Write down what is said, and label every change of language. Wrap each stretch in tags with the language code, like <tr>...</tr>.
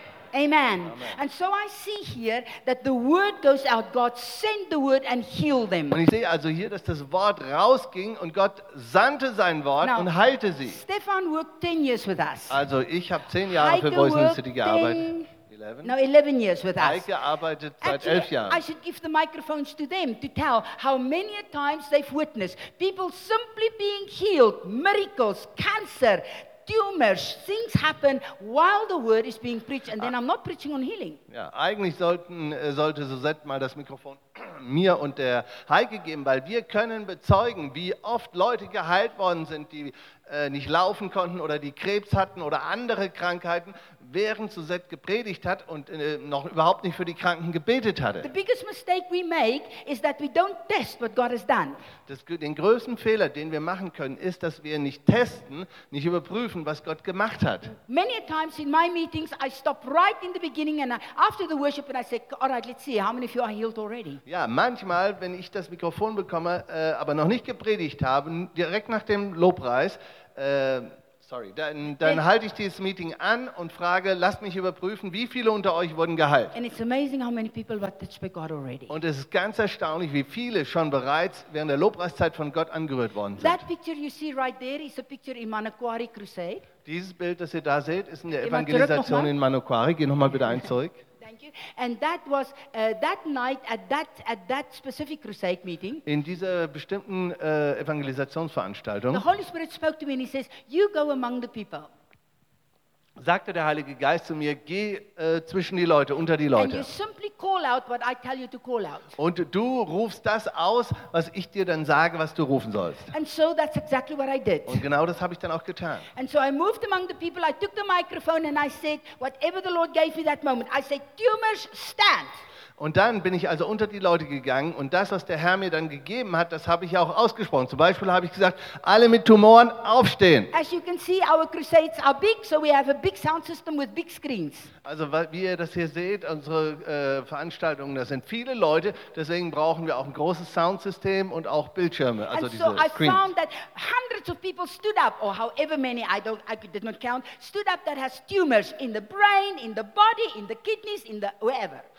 <en>Amen. And so I see here that the word goes out. God sent the word and healed them.</en> <de>Und ich sehe also hier, dass das Wort rausging und Gott sandte sein Wort und heilte sie.</de> <en>Stefan worked 10 years with us.</en> <de>Also ich habe 10 Jahre für Boys in the City gearbeitet.</de> <en>11 years with us.</en> <de>Heike arbeitet seit 11 Jahren.</de> <en>I should give the microphones to them to tell how many times they've witnessed people simply being healed, miracles, cancer. Tumors, things happen while the word is being preached, and then I'm not preaching on healing.</en> <de>Ja, eigentlich sollte Susette mal das Mikrofon mir und der Heike geben, weil wir können bezeugen, wie oft Leute geheilt worden sind, die nicht laufen konnten oder die Krebs hatten oder andere Krankheiten, während Susette gepredigt hat und noch überhaupt nicht für die Kranken gebetet hatte.</de> <en>The biggest mistake we make is that we don't test what God has done.</en> <de>Den größten Fehler, den wir machen können, ist, dass wir nicht testen, nicht überprüfen, was Gott gemacht hat.</de> <en>Many times in my meetings I stop right in the beginning and after the worship and I say, all right, let's see, how many of you are healed already?</en> <de>Ja, manchmal, wenn ich das Mikrofon bekomme, aber noch nicht gepredigt habe, direkt nach dem Lobpreis, dann halte ich dieses Meeting an und frage, lasst mich überprüfen, wie viele unter euch wurden geheilt.</de> <en>And it's amazing how many people were touched by God already.</en> <de>Und es ist ganz erstaunlich, wie viele schon bereits während der Lobpreiszeit von Gott angerührt worden sind.</de> <en>That picture you see right there is a picture in Manokwari Crusade.</en> <de>Dieses Bild, das ihr da seht, ist in der Evangelisation in Manokwari. Geh nochmal bitte ein zurück.</de> <en>Thank you. And that was that night at that specific crusade meeting.</en> <de>In dieser bestimmten Evangelisationsveranstaltung.</de> <en>The Holy Spirit spoke to me and he says, "You go among the people."</en> <de>Sagte der Heilige Geist zu mir, geh zwischen die Leute, unter die Leute.</de> <en>And you simply call out what I tell you to call out.</en> <de>Und du rufst das aus, was ich dir dann sage, was du rufen sollst.</de> <en>And so that's exactly what I did.</en> <de>Und genau das habe ich dann auch getan.</de> <en>And so I moved among the people, I took the microphone and I said, whatever the Lord gave me that moment, I said, tumors, stand.</en> <de>Und dann bin ich also unter die Leute gegangen und das, was der Herr mir dann gegeben hat, das habe ich auch ausgesprochen. Zum Beispiel habe ich gesagt, alle mit Tumoren aufstehen.</de> <en>As you can see, our crusades are big, so we have a big sound system with big screens.</en> <de>Also wie ihr das hier seht, unsere Veranstaltungen, da sind viele Leute, deswegen brauchen wir auch ein großes Soundsystem und auch Bildschirme, also</de> <en>and</en> <de>diese</de> <en>so I Screens. Found that hundreds of people stood up, or however many, I did not count, stood up that has tumors in the brain, in the body, in the kidneys, in the wherever.</en>